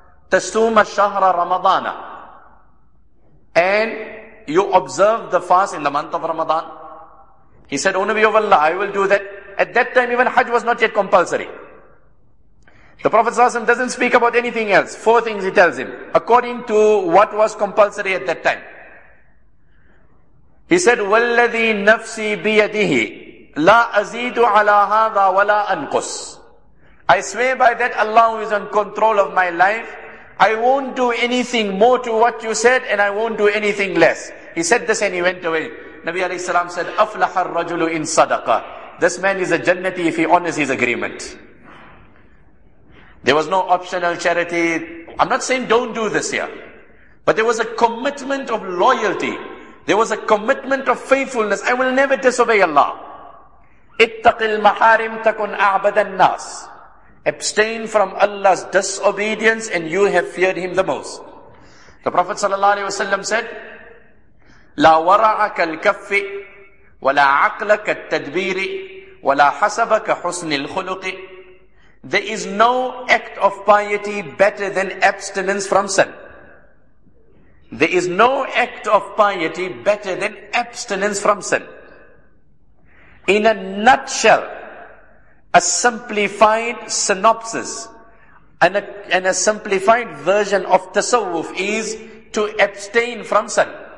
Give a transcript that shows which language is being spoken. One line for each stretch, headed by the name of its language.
Arabic: تصوم الشهر رمضان
English: and you observe the fast in the month of Ramadan. He said, O Nabi of Allah, I will do that. At that time, even Hajj was not yet compulsory. The Prophet ﷺ doesn't speak about anything else. Four things he tells him, according to what was compulsory at that time. He said,
Arabic: وَالَّذِي نَفْسِي بِيَدِهِ لَا أَزِيدُ عَلَىٰ هَذَا وَلَا أَنْقُسْ.
English: I swear by that Allah who is in control of my life, I won't do anything more to what you said, and I won't do anything less. He said this and he went away. Nabi alayhi salam said,
Arabic: أَفْلَحَ الرَّجُلُ إِن صَدَقَ.
English: This man is a jannati if he honors his agreement. There was no optional charity. I'm not saying don't do this here. But there was a commitment of loyalty. There was a commitment of faithfulness. I will never disobey Allah.
Arabic: اتَّقِ الْمَحَارِمْ تَكُنْ أَعْبَدَ النَّاسِ.
English: Abstain from Allah's disobedience and you have feared Him the most. The Prophet ﷺ said,
Arabic: لَا وَرَعَكَ الْكَفِّ وَلَا عَقْلَكَ التَّدْبِيرِ وَلَا حَسَبَكَ حُسْنِ الْخُلُقِ.
English: There is no act of piety better than abstinence from sin. There is no act of piety better than abstinence from sin. In a nutshell, a simplified synopsis and a simplified version of tasawwuf is to abstain from sin.